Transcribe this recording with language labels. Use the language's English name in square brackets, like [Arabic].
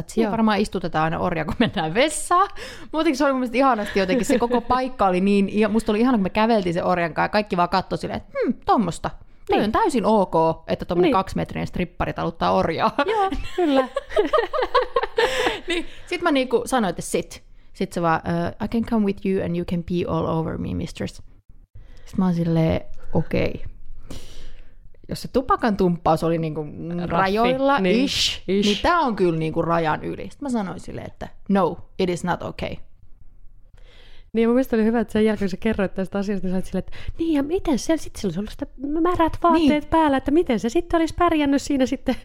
[Finnish] Että siinä varmaan istutetaan aina orja, kun mennään vessaan. Muutenkin se oli mun mielestä ihanasti jotenkin. Se koko paikka oli niin, musta oli ihana, kun me käveltiin sen orjan kanssa. Kaikki vaan katsoi silleen, että tommosta. Niin. Toi on täysin ok, että tommonen 2-metrinen strippari taluttaa orjaa. Joo, kyllä. Niin, sit mä niinku sanoin, että sit. Sit se vaan, [English] I can come with you and you can pee all over me, mistress. [Finnish] Sit mä oon silleen, okei. Jos se tupakan tumppaus oli niinku rajoilla, niin tää on kyllä niinku rajan yli. Sitten mä sanoin silleen, että no, [English] it is not okay. [Finnish] Niin, mun mielestä oli hyvä, että sen jälkeen sä kerroit tästä asiasta, niin sä olet silleen, että niin, ja miten se, sitten sillä olisi ollut sitä märät vaatteet päällä, että miten se sitten olisi pärjännyt siinä sitten